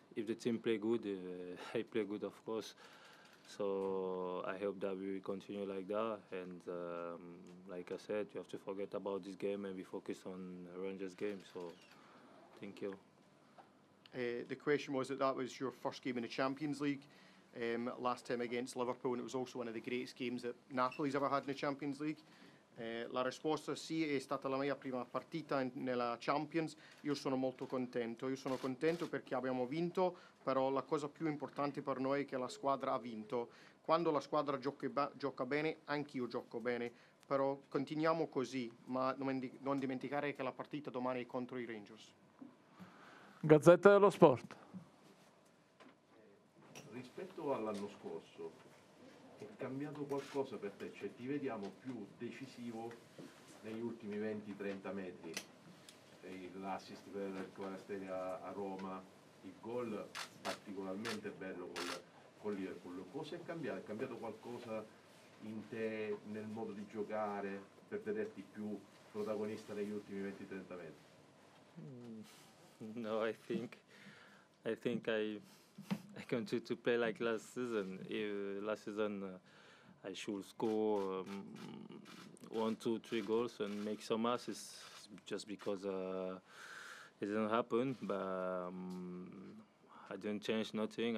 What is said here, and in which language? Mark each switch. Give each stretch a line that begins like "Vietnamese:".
English: If the team play good, I play good, of course. So I hope that we will continue like that, and like I said, you have to forget about this game and be focused on Rangers game. So thank you. The question was that was your first game in the Champions League, last time against Liverpool, and it was also one of the greatest games that Napoli's ever had in the Champions League.
Italian: La risposta sì, è stata la mia prima partita nella Champions. Io sono molto contento. Io sono contento perché abbiamo vinto, però la cosa più importante per noi è che la squadra ha vinto. Quando la squadra gioca bene, anch'io gioco bene. Però continuiamo così, ma non dimenticare che la partita domani è contro i Rangers. Gazzetta dello Sport. Rispetto all'anno scorso, è cambiato qualcosa per te? Cioè ti vediamo più decisivo negli ultimi 20-30 metri, l'assist per Quarastella a Roma, il gol particolarmente bello con Liverpool. Cosa è cambiato? È cambiato qualcosa in te, nel modo di giocare, per vederti più protagonista negli ultimi 20-30 metri?
English: No, I think I think I continue to play like last season. Last season, I should score 1, 2, 3 goals and make some assists. Just because it didn't happen, but I didn't change nothing.